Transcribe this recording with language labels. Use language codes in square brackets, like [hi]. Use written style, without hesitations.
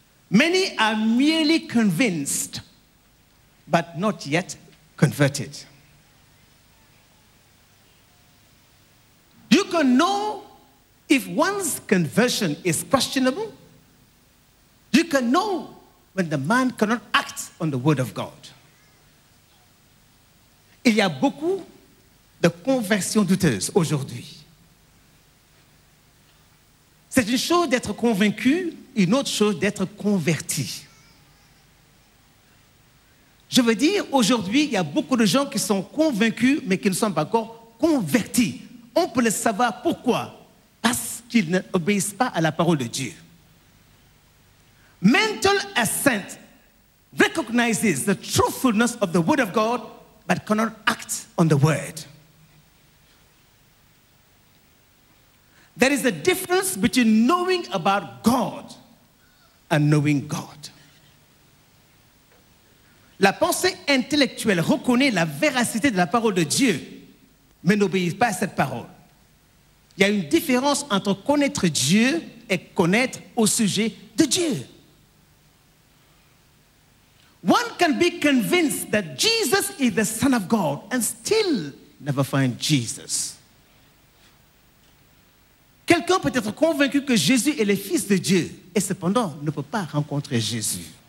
[en] Many are merely convinced, but not yet converted. You can know if one's conversion is questionable. You can know when the man cannot act on the word of God. [fr] Il y a beaucoup de conversions douteuses aujourd'hui. C'est une chose d'être convaincu, une autre chose d'être converti. Je veux dire, aujourd'hui, il y a beaucoup de gens qui sont convaincus, mais qui ne sont pas encore convertis. On peut le savoir pourquoi? Parce qu'ils n'obéissent pas à la parole de Dieu. [en] Mental assent recognizes the truthfulness of the word of God, but cannot act on the word. There is a difference between knowing about God and knowing God. [fr] La pensée intellectuelle reconnaît la véracité de la parole de Dieu, mais n'obéit pas à cette parole. Il y a une différence entre connaître Dieu et connaître au sujet de Dieu. [en] One can be convinced that Jesus is the Son of God and still never find Jesus. [fr] Quelqu'un peut être convaincu que Jésus est le Fils de Dieu et cependant ne peut pas rencontrer Jésus.